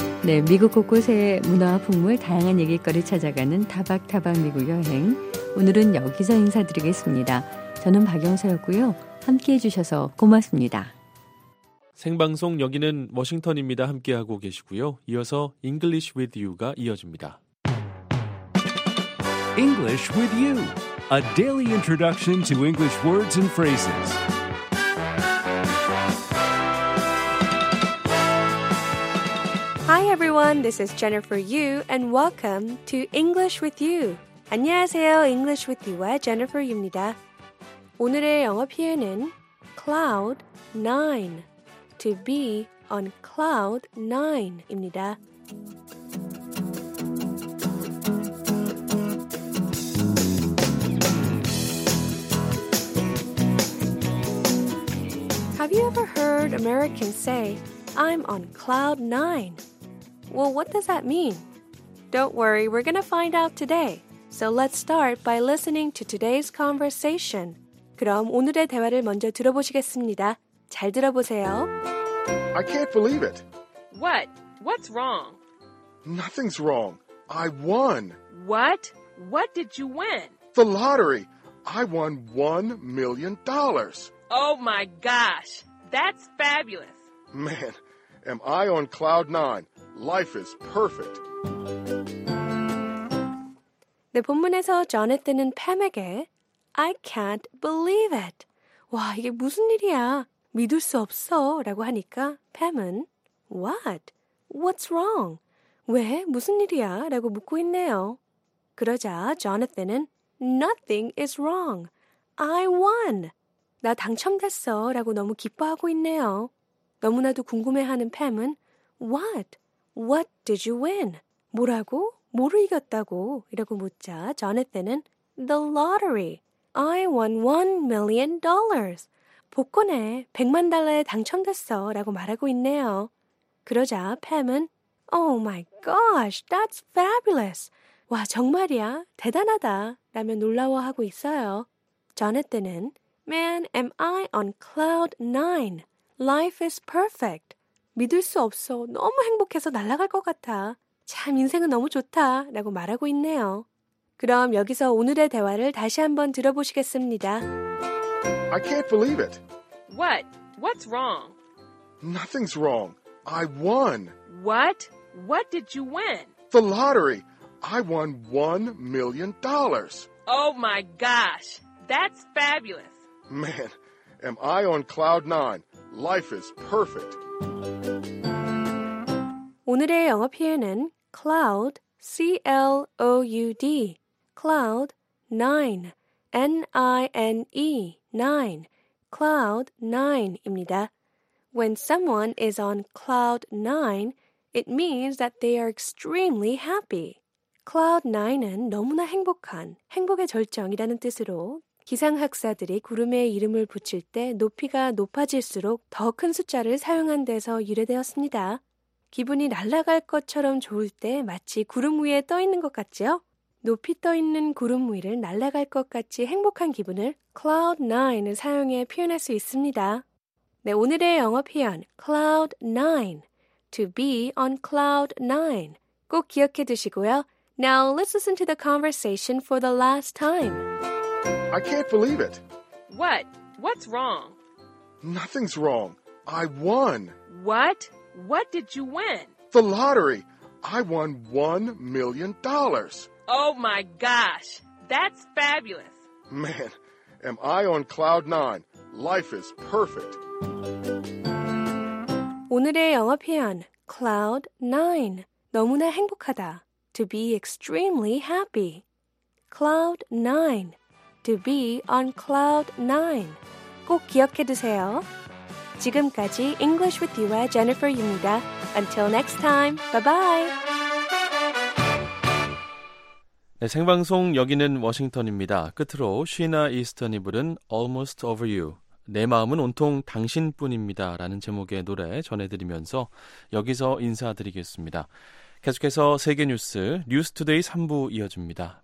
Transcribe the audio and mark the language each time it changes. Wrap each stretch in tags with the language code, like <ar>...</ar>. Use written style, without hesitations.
<ko>네, 미국 곳곳의 문화와 풍물, 다양한 얘기거리 찾아가는 타박타박 미국 여행. 오늘은 여기서 인사드리겠습니다. 저는 박영서였고요. 함께해 주셔서 고맙습니다. 생방송 여기는 워싱턴입니다. 함께하고 계시고요. 이어서 English with you가 이어집니다.</ko> <en>English with you. A daily introduction to English words and phrases.</en> <ko>여러분,</ko> <en>this is Jennifer Yu and welcome to English with you.</en> <ko>안녕하세요. English with you와 Jennifer 입니다. 오늘의 영어 표현은 cloud 9,</ko> <en>to be on cloud 9</en> <ko>입니다.</ko> <en>Have you ever heard Americans say, I'm on cloud 9? Well, what does that mean? Don't worry, we're going to find out today. So let's start by listening to today's conversation.</en> <ko>그럼 오늘의 대화를 먼저 들어보시겠습니다. 잘 들어보세요.</ko> <en>I can't believe it. What? What's wrong? Nothing's wrong. I won. What? What did you win? The lottery. I won $1 million. Oh my gosh. That's fabulous. Man, am I on cloud nine? Life is perfect.</en> <ko>네, 본문에서 조나탄은 팸에게</ko> <en>I can't believe it.</en> <ko>와, 이게 무슨 일이야? 믿을 수 없어. 라고 하니까 팸은 What?</ko> <en>What's wrong?</en> <ko>왜? 무슨 일이야? 라고 묻고 있네요. 그러자 조나탄은</ko> <en>Nothing is wrong. I won.</en> <ko>나 당첨됐어. 라고 너무 기뻐하고 있네요. 너무나도 궁금해하는 팸은 What?</ko> <en>What did you win?</en> <ko>뭐라고? 뭐를 이겼다고? 이라고 묻자 조나탄은</ko> <en>The lottery. I won $1 million.</en> <ko>복권에 100만 달러에 당첨됐어 라고 말하고 있네요. 그러자 팸은</ko> <en>Oh my gosh, that's fabulous.</en> <ko>와, 정말이야? 대단하다. 라며 놀라워하고 있어요. 조나탄은</ko> <en>Man, am I on cloud 9? Life is perfect.</en> <ko>믿을 수 없어. 너무 행복해서 날아갈 것 같아. 참 인생은 너무 좋다. 라고 말하고 있네요. 그럼 여기서 오늘의 대화를 다시 한번 들어보시겠습니다.</ko> <en>I can't believe it. What? What's wrong? Nothing's wrong. I won. What? What did you win? The lottery. I won $1 million. Oh my gosh. That's fabulous. Man, am I on cloud 9? Life is perfect.</en> <ko>오늘의 영어 표현은 cloud, C-L-O-U-D, cloud 9, N-I-N-E, 9, cloud 9입니다.</ko> <en>When someone is on cloud 9, it means that they are extremely happy.</en> <ko>Cloud 9은 너무나 행복한, 행복의 절정이라는 뜻으로 기상학사들이 구름에 이름을 붙일 때 높이가 높아질수록 더 큰 숫자를 사용한 데서 유래되었습니다. 기분이 날아갈 것처럼 좋을 때 마치 구름 위에 떠 있는 것 같죠? 높이 떠 있는 구름 위를 날아갈 것 같이 행복한 기분을 Cloud 9을 사용해 표현할 수 있습니다. 네, 오늘의 영어 표현 Cloud 9,</ko> <en>To be on Cloud 9</en> <ko>꼭 기억해 두시고요.</ko> <en>Now let's listen to the conversation for the last time. I can't believe it. What? What's wrong? Nothing's wrong. I won. What? What did you win? The lottery. I won $1 million. Oh my gosh. That's fabulous. Man, am I on cloud nine. Life is perfect.</en> <ko>오늘의 영어 표현, cloud nine. 너무나 행복하다.</ko> <en>To be extremely happy. Cloud nine. To be on cloud nine.</en> <ko>꼭 기억해 두세요. 지금까지 English with you와 Jennifer입니다.</ko> <en>Until next time, bye-bye.</en> <ko>네, 생방송 여기는 워싱턴입니다. 끝으로 쉬나 이스턴이 부른 Almost Over You, 내 마음은 온통 당신뿐입니다 라는 제목의 노래 전해드리면서 여기서 인사드리겠습니다. 계속해서 세계뉴스 뉴스투데이 3부 이어집니다.</ko>